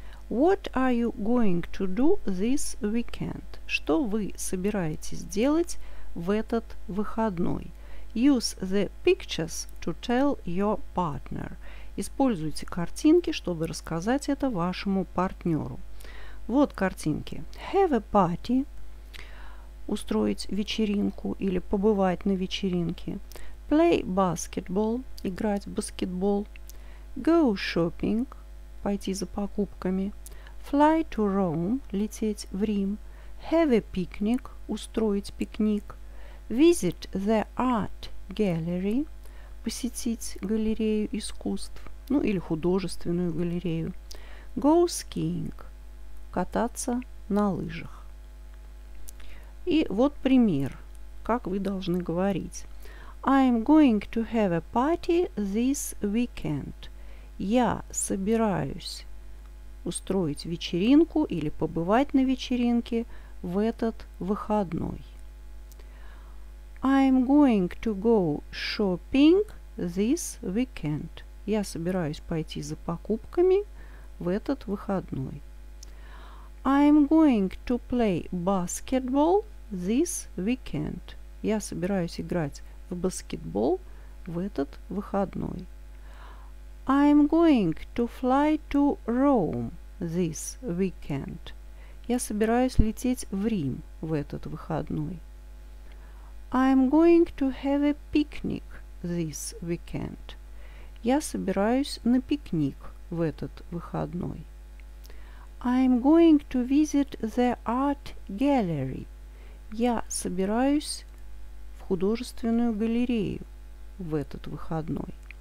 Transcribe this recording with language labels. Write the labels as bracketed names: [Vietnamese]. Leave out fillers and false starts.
[English] What are you going to do this weekend? [Russian] Что вы собираетесь делать в этот выходной? [English] Use the pictures to tell your partner. [Russian] Используйте картинки, чтобы рассказать это вашему партнеру. Вот картинки. [English] Have a party. [Russian] Устроить вечеринку или побывать на вечеринке. [English] Play basketball. [Russian] Играть в баскетбол. [English] Go shopping. [Russian] Пойти за покупками. [English] Fly to Rome. [Russian] Лететь в Рим. [English] Have a picnic. [Russian] Устроить пикник. [English] Visit the art gallery. [Russian] Посетить галерею искусств. Ну, или художественную галерею. [English] Go skiing. [Russian] Кататься на лыжах. И вот пример, как вы должны говорить. [English] I'm going to have a party this weekend. [Russian] Я собираюсь устроить вечеринку или побывать на вечеринке в этот выходной. [English] I'm going to go shopping this weekend. [Russian] Я собираюсь пойти за покупками в этот выходной. [English] I'm going to play basketball this weekend. [Russian] Я собираюсь играть в баскетбол в этот выходной. [English] I'm going to fly to Rome this weekend. [Russian] Я собираюсь лететь в Рим в этот выходной. [English] I'm going to have a picnic this weekend. [Russian] Я собираюсь на пикник в этот выходной. [English] I'm going to visit the art gallery. [Russian] Я собираюсь в художественную галерею в этот выходной.